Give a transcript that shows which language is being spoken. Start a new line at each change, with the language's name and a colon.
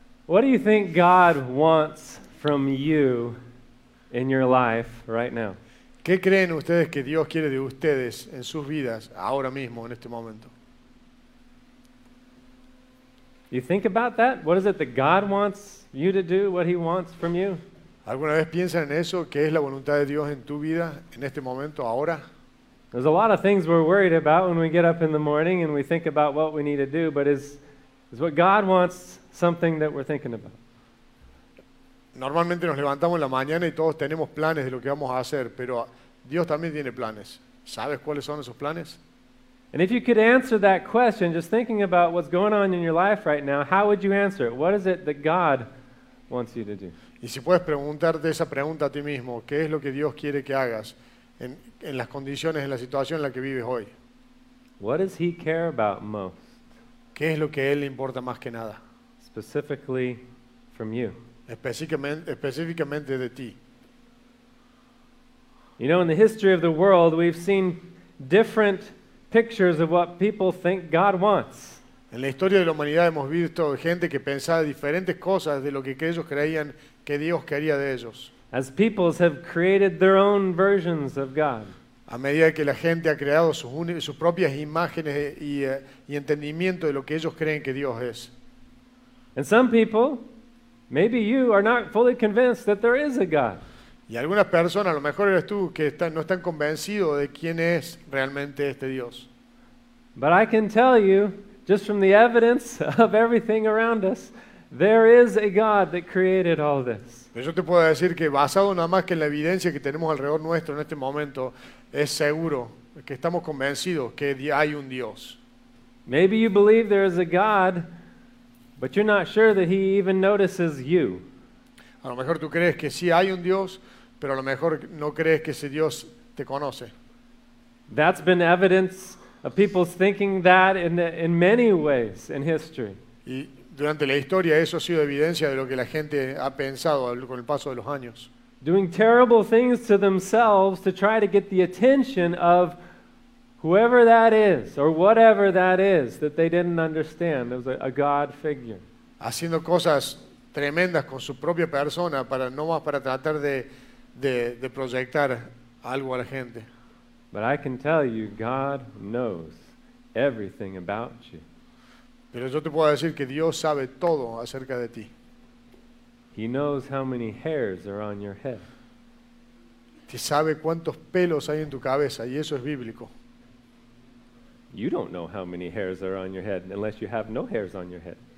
English: What do you think God wants from you in your life right now?
Spanish: ¿Qué creen ustedes que Dios quiere de ustedes en sus vidas ahora mismo, en este momento?
English: You think about that? What is it that God wants you to do? What he wants from you?
Spanish: ¿Alguna vez piensan en eso? ¿Qué es la voluntad de Dios en tu vida, en este momento, ahora?
English: There's a lot of things we're worried about when we get up in the morning and we think about what we need to do, but is what God wants something that we're thinking about?
Spanish: Normalmente nos levantamos en la mañana y todos tenemos planes de lo que vamos a hacer, pero Dios también tiene planes. ¿Sabes cuáles son esos planes?
English: And if you could answer that question, just thinking about what's going on in your life right now, how would you answer it? What is it that God wants you to do?
Spanish: Y si puedes preguntarte esa pregunta a ti mismo, ¿qué es lo que Dios quiere que hagas en las condiciones, en la situación en la que vives hoy?
English: What does he care about most?
Spanish: ¿Qué es lo que a él le importa más que nada?
English: Specifically from you.
Spanish: Específicamente de ti.
English: You know, in the history of the world, we've seen different pictures of what people think God wants.
Spanish: En la historia de la humanidad hemos visto gente que pensaba diferentes cosas de lo que ellos creían que Dios quería de ellos.
English: As peoples have created their own versions of God.
Spanish: A medida que la gente ha creado sus propias imágenes y entendimiento de lo que ellos creen que Dios es.
English: And some people, maybe you, are not fully convinced that there is a God.
Spanish: Y algunas personas, a lo mejor eres tú, que no están convencidos de quién es realmente este Dios.
English: But I can tell you, just from the evidence of everything around us, there is a God that created all this.
Spanish: Yo te puedo decir que basado nada más que en la evidencia que tenemos alrededor nuestro en este momento, es seguro que estamos convencidos que hay un Dios.
English: Maybe you believe there is a God, but you're not sure that he even notices you.
Spanish: A lo mejor tú crees que sí hay un Dios, pero a lo mejor no crees que ese Dios te conoce.
English: That's been evidence of people's thinking that in many ways in history.
Spanish: Y durante la historia eso ha sido evidencia de lo que la gente ha pensado con el paso de los años.
English: Doing terrible things to themselves to try to get the attention of whoever that is or whatever that is that they didn't understand. It was a God figure.
Spanish: Haciendo cosas tremendas con su propia persona para no más para tratar de proyectar algo a la gente.
English: But I can tell you, God knows everything about you.
Spanish: Pero yo te puedo decir que Dios sabe todo acerca de ti.
English: He knows how many hairs are on your head.
Spanish: Te sabe cuántos pelos hay en tu cabeza y eso es bíblico.
English: You don't know how many hairs are on your head unless you have no hairs on your head.